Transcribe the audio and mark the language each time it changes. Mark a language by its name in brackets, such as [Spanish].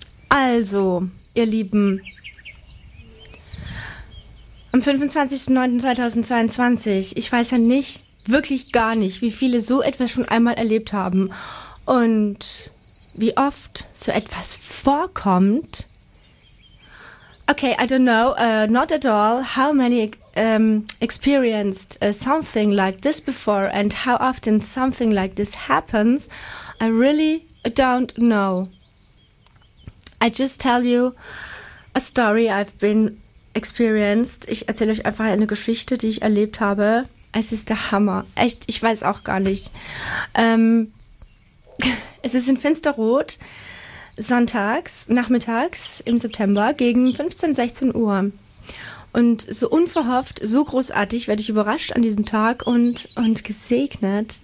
[German] Also, ihr Lieben, am 25.09.2022, ich weiß ja nicht, wirklich gar nicht, wie viele so etwas schon einmal erlebt haben und wie oft so etwas vorkommt. [English] Okay, I don't know, not at all, how many experienced something like this before and how often something like this happens, I really don't know. I just tell you a story I've been experienced. [German] Ich erzähle euch einfach eine Geschichte, die ich erlebt habe. Es ist der Hammer. Echt, ich weiß auch gar nicht. Es ist in Finsterrot. Sonntags, nachmittags im September gegen 15, 16 Uhr. Und so unverhofft, so großartig werde ich überrascht an diesem Tag und gesegnet.